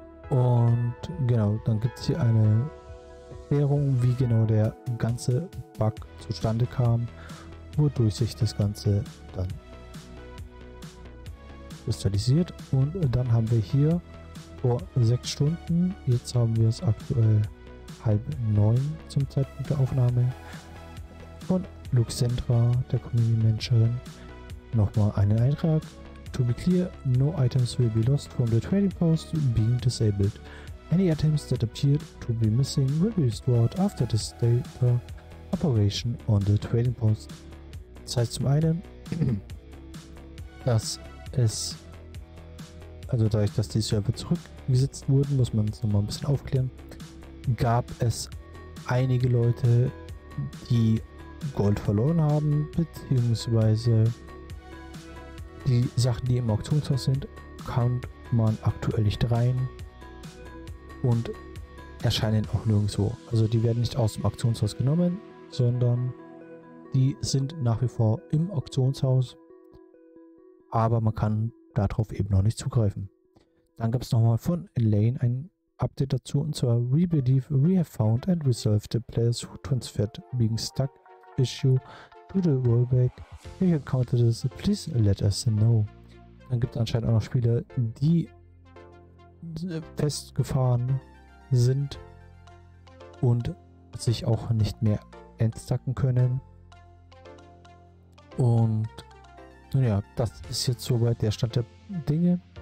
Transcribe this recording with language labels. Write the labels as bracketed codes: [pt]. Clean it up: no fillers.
[de] Und genau, dann gibt es hier eine Erklärung, wie genau der ganze Bug zustande kam, wodurch sich das Ganze dann kristallisiert. Und dann haben wir hier vor 6 Stunden, jetzt haben wir es aktuell 8:30 zum Zeitpunkt der Aufnahme, von Luxandra, der Community Managerin, nochmal einen Eintrag. [en] To be clear, no items will be lost from the trading post being disabled. Any items that appear to be missing will be restored after the data operation on the trading post. [de] Das heißt zum einen, dass es, also dadurch, dass die Server zurückgesetzt wurden, muss man es nochmal ein bisschen aufklären, gab es einige Leute, die Gold verloren haben, beziehungsweise die Sachen, die im Auktionshaus sind, kann man aktuell nicht rein und erscheinen auch nirgendwo. Also die werden nicht aus dem Auktionshaus genommen, sondern die sind nach wie vor im Auktionshaus, aber man kann darauf eben noch nicht zugreifen. Dann gab es nochmal von Elaine ein Update dazu, und zwar: [en] We believe we have found and resolved the players who transferred being stuck issue to the rollback. If you encountered this, please let us know. [de] Dann gibt es anscheinend auch noch Spieler, die festgefahren sind und sich auch nicht mehr entstacken können. Und nun ja, das ist jetzt soweit der Stand der Dinge.